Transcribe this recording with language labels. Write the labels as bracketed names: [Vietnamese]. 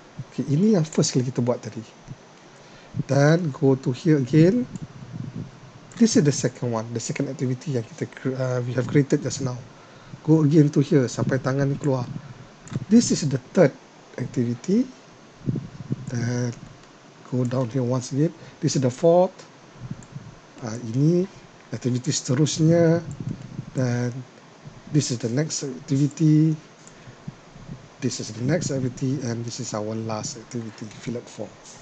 [English] Okay, [Malay] ini yang first kali kita buat tadi. [English] Then go to here again, this is the second one, the second activity [Malay] yang kita [English] we have created just now. Go again to here [Malay] sampai tangan ni keluar. [English] This is the third activity. Then go down here once again. This is the fourth. [Malay] Ini activity seterusnya. [English] Then this is the next activity. This is the next activity. And this is our last activity, fill up form.